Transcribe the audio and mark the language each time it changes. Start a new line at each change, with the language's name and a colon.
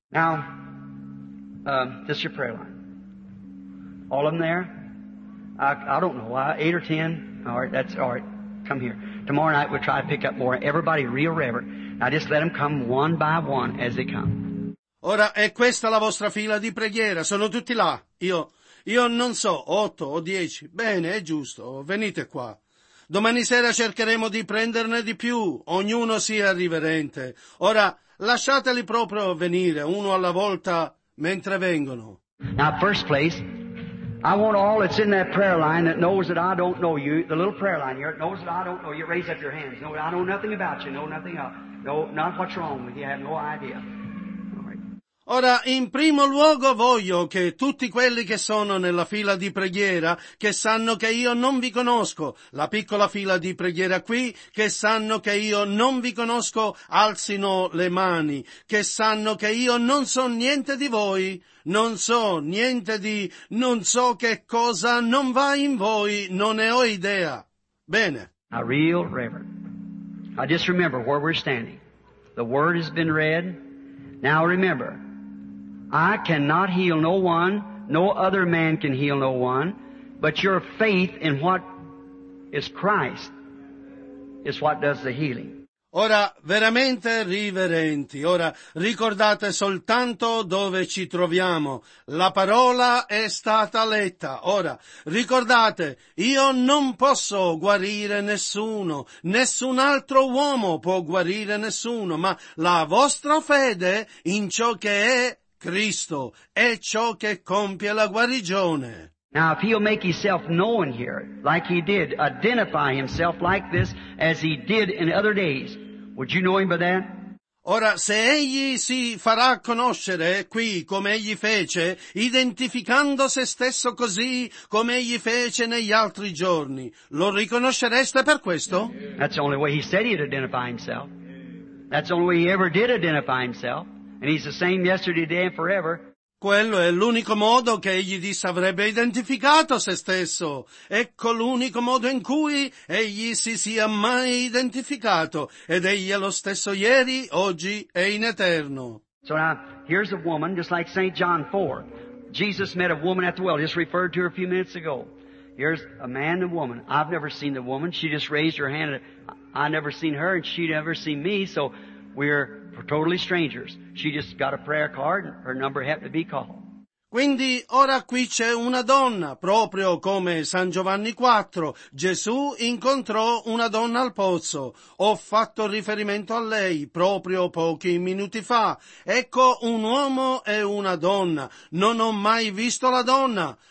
English: Now, this is your prayer line. All of them there? I don't know why. 8 or 10? All right, that's all right. Come here. Tomorrow night we'll try to pick up more. Everybody real reverent. Now just let them come one by one as they come.
Italian: Ora è questa la vostra fila di preghiera. Sono tutti là. Io non so, 8 o 10. Bene, è giusto. Venite qua. Domani sera cercheremo di prenderne di più. Ognuno sia riverente. Ora lasciateli proprio venire, uno alla volta, mentre vengono.
English: Now first place, I want all that's in that prayer line that knows that I don't know you, the little prayer line here, knows that I don't know you, raise up your hands. No, I know nothing about you, know nothing else. No, not what's wrong with you, I have no idea. All right.
Italian: Ora, in primo luogo voglio che tutti quelli che sono nella fila di preghiera, che sanno che io non vi conosco, la piccola fila di preghiera qui, che sanno che io non vi conosco, alzino le mani, che sanno che io non so niente di voi, non so niente di, non so che cosa non va in voi, non ne ho idea. Bene.
English: A real reverend. I just remember where we're standing. The word has been read. Now remember, I cannot heal no one, no other man can heal no one, but your faith in what is Christ is what does the healing.
Italian: Ora, veramente riverenti, ora ricordate soltanto dove ci troviamo. La parola è stata letta. Ora, ricordate, io non posso guarire nessuno, nessun altro uomo può guarire nessuno, ma la vostra fede in ciò che è Cristo è ciò che compie la guarigione.
English: Now if he'll make himself known here, like he did, identify himself like this, as he did in other days, would you know him by that?
Italian: Ora, se egli si farà conoscere qui come egli fece, identificando se stesso così come egli fece negli altri giorni, lo riconoscereste per questo?
English: That's the only way he said he'd identify himself. That's the only way he ever did identify himself. And he's the same yesterday, today, and forever.
Italian: Quello è l'unico modo che egli disse avrebbe identificato se stesso. Ecco l'unico modo in cui egli si sia mai identificato. Ed egli è lo stesso ieri, oggi e in eterno.
English: So now, here's a woman, just like St. John 4. Jesus met a woman at the well, just referred to her a few minutes ago. Here's a man and a woman. I've never seen the woman. She just raised her hand. I never seen her and she never seen me, so we're totally strangers. She just got a prayer card and her number happened to be called.
Italian: Quindi ora qui c'è una donna, proprio come San Giovanni 4. Gesù incontrò una donna al pozzo. Ho fatto riferimento a lei proprio pochi minuti fa. Ecco un uomo e una donna. Non ho mai visto la donna.